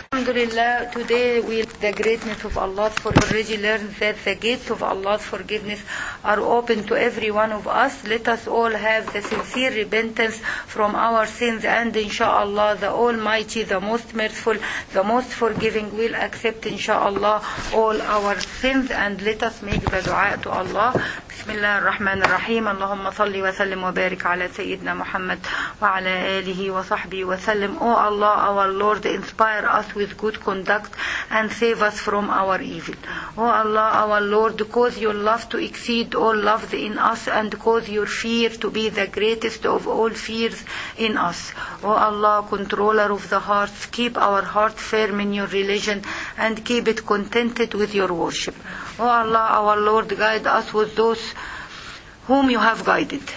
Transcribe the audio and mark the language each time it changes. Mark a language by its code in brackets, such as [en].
[en] Alhamdulillah, today we the greatness of Allah, for we already learned that the gates of Allah's forgiveness are open to every one of us. Let us all have the sincere repentance from our sins, and inshallah, the Almighty, the most merciful, the most forgiving, will accept inshallah all our sins. And let us make the dua to Allah. [ar] بسم الله الرحمن الرحيم اللهم صل وسلم وبارك على سيدنا محمد وعلى آله وصحبه وسلم. [en] O Allah, our Lord, inspire us with good conduct and save us from our evil. O Allah, our Lord, cause your love to exceed all loves in us, and cause your fear to be the greatest of all fears in us. O Allah, controller of the hearts, keep our hearts firm in your religion and keep it contented with your worship. O Allah, our Lord, guide us with those whom you have guided.